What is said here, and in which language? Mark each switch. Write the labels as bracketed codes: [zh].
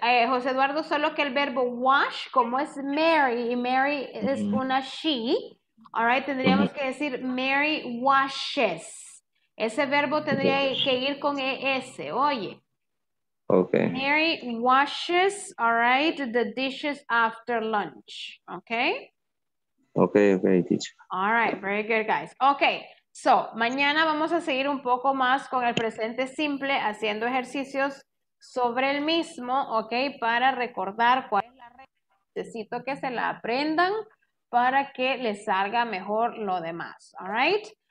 [es] Jose Eduardo, solo que el verbo wash, como es Mary, y Mary es una she. [en] All right, tendríamos que decir Mary washes. [es] Ese verbo tendría que ir con ES, oye. Okay. [en] Mary washes, all right, the dishes after lunch, okay? Okay, okay, teacher. All right, very good, guys. [es] Okay, so, mañana vamos a seguir un poco más con el presente simple, haciendo ejercicios sobre el mismo, okay, para recordar cuál es la regla. Necesito que se la aprendan para que les salga mejor lo demás, all right?